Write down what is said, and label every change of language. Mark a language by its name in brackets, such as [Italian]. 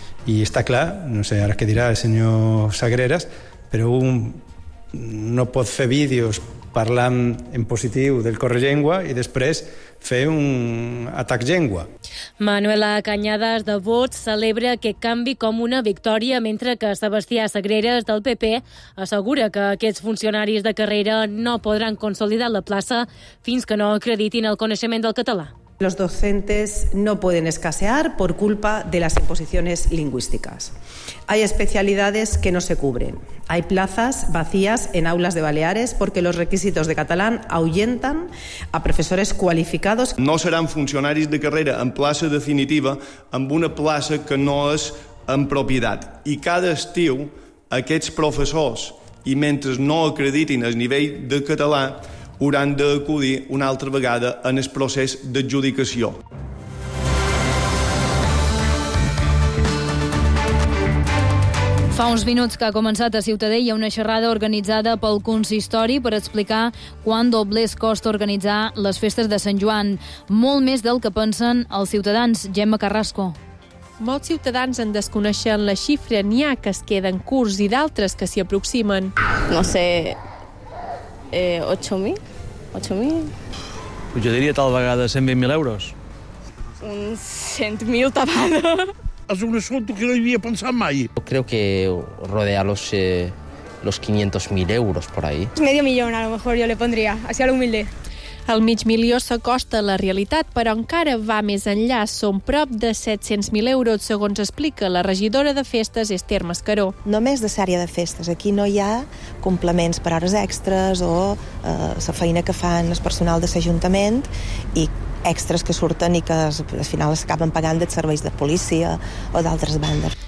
[Catalan] I està clar, no sé ara què dirà el senyor Sagreras, però un no pot fer vídeos parlant en positiu del Correllengua i després fer un atac llengua. Manuela Cañadas, de Vox, celebra aquest canvi com una victòria, mentre que Sebastià Sagreras, del PP, assegura que aquests funcionaris de carrera no podran consolidar la plaça fins que no acreditin el coneixement del català. [Spanish] Los docentes no pueden escasear por culpa de las imposiciones lingüísticas. Hay especialidades que no se cubren. Hay plazas vacías en aulas de Baleares porque los requisitos de catalán ahuyentan a profesores cualificados. No serán funcionarios de carrera [Catalan] en plaça definitiva, amb una plaça que no és en propietat. I cada estiu aquests professors, i mentre no acreditin el nivell de català, hauran d'acudir una altra vegada en el procés d'adjudicació. Fa uns minuts que ha començat a Ciutadella una xerrada organitzada pel Consistori per explicar quant doblés costa organitzar les festes de Sant Joan. Molt més del que pensen els ciutadans. Gemma Carrasco. Molts ciutadans en desconeixen la xifra. N'hi ha que es queden curts i d'altres que s'hi aproximen. No sé, 8.000? Pues jo diria tal vegada 120.000 euros. Uns 100.000 tapades. És un assunto que no havia pensat mai. [Spanish] Yo creo que rodea los 500.000 euros por ahí. Medio millón a lo mejor yo le pondría, así a lo humilde. [Catalan] El 500.000 s'acosta a la realitat, però encara va més enllà. Són prop de 700.000 euros, segons explica la regidora de festes, Esther Mascaró. Només de sèrie de festes. Aquí no hi ha complements per hores extres o la feina que fan el personal de l'Ajuntament i extres que surten i que al final acaben pagant dels serveis de policia o d'altres bandes.